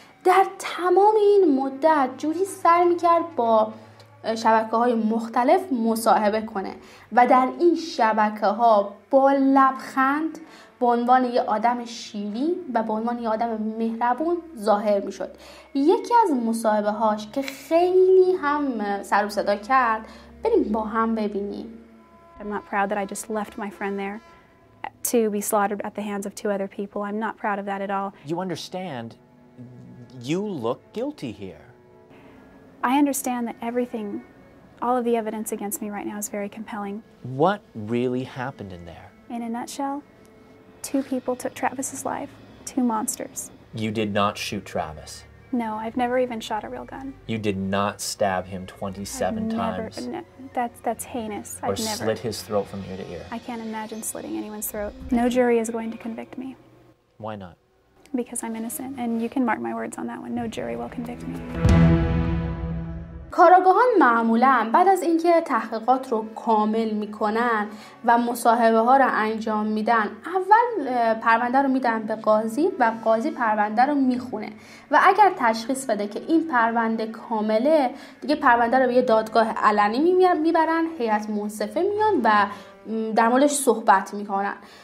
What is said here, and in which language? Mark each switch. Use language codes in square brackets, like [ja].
[fa] در تمام این مدت جودی سر میکرد با شبکه‌های مختلف مصاحبه کنه و در این شبکه‌ها با لبخند به عنوان یه آدم شیرین و به عنوان یه آدم مهربون ظاهر می‌شد. یکی از مصاحبه‌هاش که خیلی هم سر و صدا کرد، بریم با هم ببینیم. [en] I'm not proud that I just left my friend there to be slaughtered at the hands of two other people. I'm not proud of that at all. You understand? You look guilty here. I understand that everything, all of the evidence against me right now is very compelling. What really happened in there? In a nutshell, two people took Travis's life, two monsters. You did not shoot Travis? No, I've never even shot a real gun. You did not stab him 27 times? I've never, that's heinous. Or I've slit never. His throat from ear to ear? I can't imagine slitting anyone's throat. No jury is going to convict me. Why not? Because I'm innocent, and you can mark my words on that one. No jury will convict me. [fa] کاراگاهان معمولا بعد از اینکه تحقیقات رو کامل میکنن و مصاحبه ها رو انجام میدن، اول پرونده رو میدن به قاضی و قاضی پرونده رو میخونه و اگر تشخیص بده که این پرونده کامله، دیگه پرونده رو به یه دادگاه علنی میبرن، هیئت منصفه میان و در موردش صحبت میکنن.